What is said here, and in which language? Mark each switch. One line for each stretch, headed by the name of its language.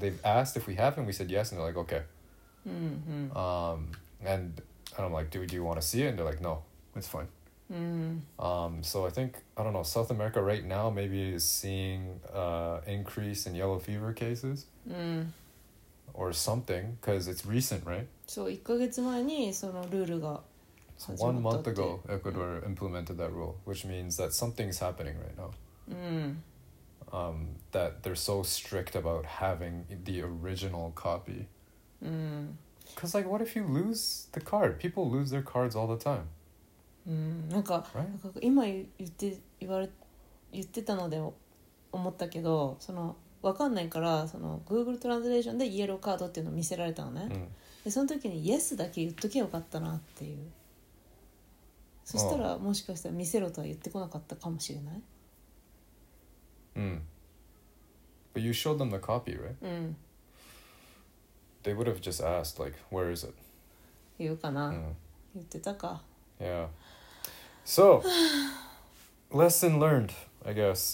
English: They've asked if we have, and we said yes. And they're like, okay. Mm-hmm. And I'm like, dude, do you want to see it? And they're like, no, it's fine. Mm-hmm. So I think, I don't know, South America right now maybe is seeing an increase in yellow fever cases、 mm-hmm. or something, because it's recent, right?
Japanese: So 1 ヶ月前にそのルールが始まった
English: って。One month ago, Ecuador、mm-hmm. implemented that rule, which means that something's happening right now、 mm-hmm. That they're so strict about having the original copy. Because、mm-hmm. like, what if you lose the card? People lose their cards all the time.
Japanese: うん、なんか、
English: right?
Japanese: なんか今言ってたので思ったけど、その分かんないからその Google トランスレーションでイエローカードっていうのを見せられたのね、うん、でその時にイエスだけ言っとけよかったなっていう、そしたらもしかしたら見せろとは言ってこなかったかもしれない。
English: うん、But you showed them the copy, right?
Japanese: うん、
English: They would have just asked like, where is it?
Japanese: 言うかな、うん、言ってたか。
English: Yeah. So, lesson learned, I guess.